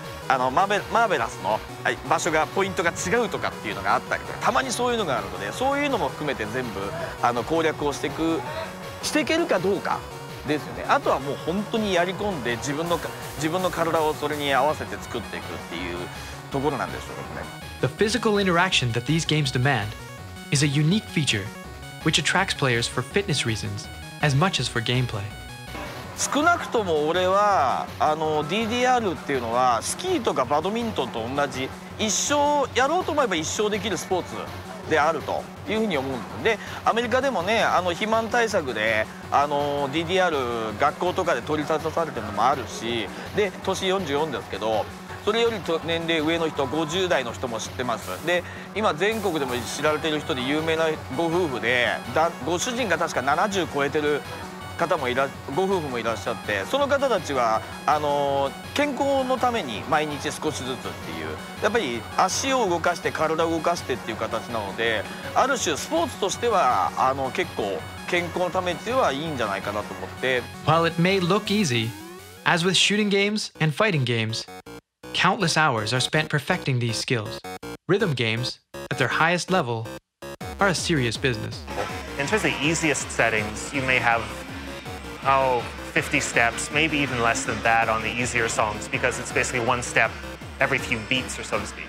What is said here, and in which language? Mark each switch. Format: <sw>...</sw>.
<ja>マーベラスの場所がポイントが違うとかっていうのがあったりとか、たまにそういうのがあるので、そういうのも含めて全部攻略をしていけるかどうかですよね。あとはもう本当にやり込んで自分の体をそれに合わせて作っていくっていうところなんでしょうね。</ja> <en>The physical interaction that these games demand is a unique feature which attracts players for fitness reasons as much as for gameplay。</en> <ja>少なくとも俺はDDR っていうのはスキーとかバドミントンと同じ、一生やろうと思えば一生できるスポーツであるというふうに思うんです。でアメリカでもね、肥満対策でDDR 学校とかで取り沙汰されてるのもあるし、で年44ですけど、それより年齢上の人50代の人も知ってます。で今全国でも知られてる人で有名なご夫婦で、ご主人が確か70超えてる方もご夫婦もいらっしゃって、その方たちは健康のために毎日少しずつっていう、やっぱり足を動かして体を動かしてっていう形なので、ある種スポーツとしては結構健康のためっていうのはいいんじゃないかなと思って。</ja> <en>While it may look easy, as with shooting games and fighting games, countless hours are spent perfecting these skills. Rhythm games, at their highest level, are a serious business. In terms of the easiest settings, you may have 50 steps, maybe even less than that on the easier songs, because it's basically one step every few beats or so to speak.</en>